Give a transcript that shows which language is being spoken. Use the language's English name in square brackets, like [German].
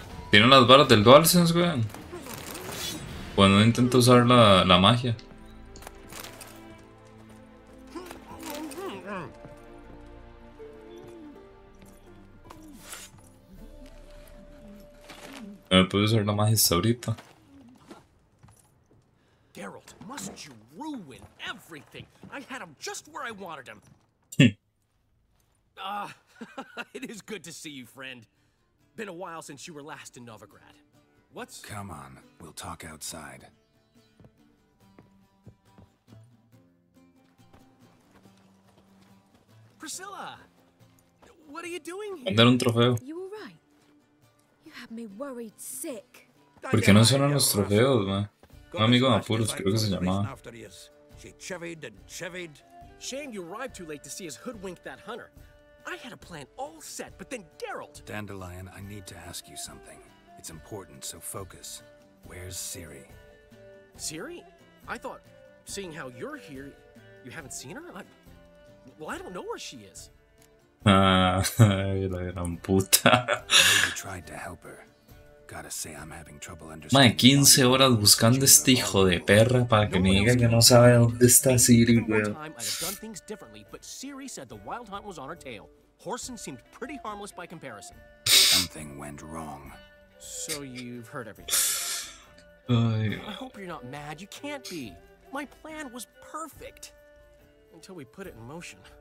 [Spanish] ¿Tiene las barras del DualSense, weón? Bueno, intento usar la magia. No me puedo usar la magia hasta ahorita. [English] Geralt, must you ruin everything? I had him just where I wanted him. it is good to see you, friend. Been a while since you were last in Novigrad. What's... Come on, we'll talk outside. Priscilla! What are you doing here? [Spanish] Mandar un trofeo. [English] You were right. You have me worried sick. [Spanish] ¿Por qué no suenan los trofeos, man? Un amigo en apuros, creo que se llamaba. [English] She chevied and chevied. Shame you arrived too late to see us hoodwink that hunter. I had a plan all set, but then Geralt... Dandelion, I need to ask you something. It's important, so focus. Where's Ciri? Ciri? I thought, seeing how you're here, you haven't seen her? I don't know where she is. [Spanish] Ah, la gran puta. [English] You tried to help her. Gotta say I'm having trouble understanding. [Spanish] Mae, 15 horas buscando a este hijo de perra para que me diga que no sabe dónde está Ciri, weón. [English] I've done things differently, but Ciri said the wild hunt was on her tail. Horson seemed pretty harmless by comparison. Something went wrong. So you've heard everything. I hope you're not mad. You can't be. My plan was perfect until we put it in motion.